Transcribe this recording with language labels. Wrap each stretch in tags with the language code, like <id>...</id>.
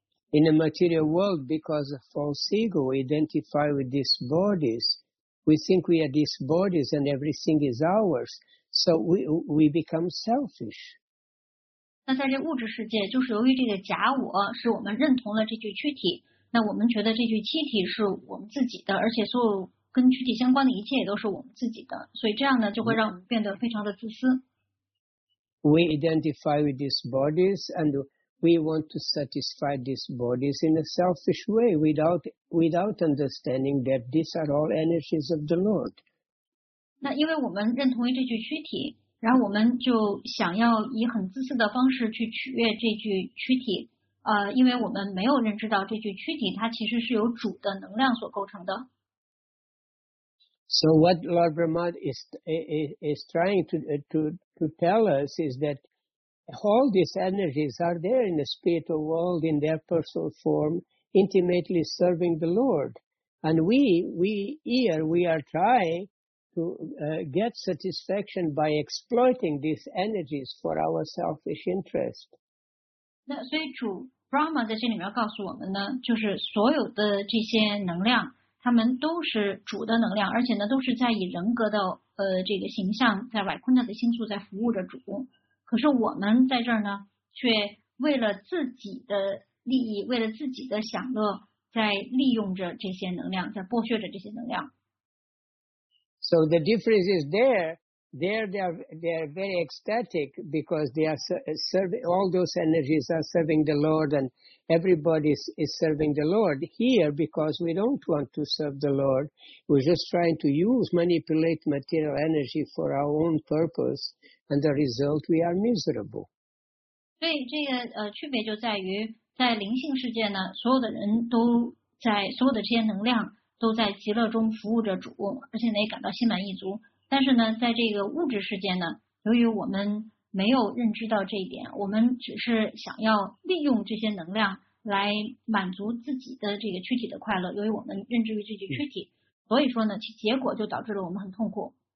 <en>In the material world, because of false ego, we identify with these bodies. We think we are these bodies and everything is ours. So we become selfish.</en> <zh>那在这物质世界，就是由于这个假我，使我们认同了这具躯体。那我们觉得这具躯体是我们自己的，而且所有跟躯体相关的一切也都是我们自己的。所以这样呢，就会让我们变得非常的自私。</zh> <en>We identify with these bodies and... We want to satisfy these bodies in a selfish way without understanding that these are all energies of the Lord.</en> <zh>那因为我们认同于这具躯体，然后我们就想要以很自私的方式去取悦这具躯体，因为我们没有认知到这具躯体它其实是由主的能量所构成的。</zh> <en>So what Lord Brahma is trying to tell us is that. All these energies are there in the spiritual world in their personal form, intimately serving the Lord. And we are trying to get satisfaction by exploiting these energies for our selfish interest.</en> <zh>那所以主 Brahma 在这里面告诉我们呢，就是所有的这些能量，它们都是主的能量，而且呢，都是在以人格的这个形象，在 Vaikuntha 的星宿在服务着主。可是我们在这儿呢，却为了自己的利益，为了自己的享乐，在利用着这些能量，在剥削着这些能量。</zh> <en>So the difference is there. They are very ecstatic because they are serving all those energies are serving the Lord, and everybody is serving the Lord here because we don't want to serve the Lord. We're just trying to use, manipulate material energy for our own purpose. And the result, we are miserable.</en> <zh>所以这个区别就在于，在灵性世界呢，所有的人都在，所有的这些能量都在极乐中服务着主，而且呢也感到心满意足。但是呢，在这个物质世界呢，由于我们没有认知到这一点，我们只是想要利用这些能量来满足自己的这个躯体的快乐，由于我们认知于自己躯体，所以说呢，其结果就导致了我们很痛苦。</zh>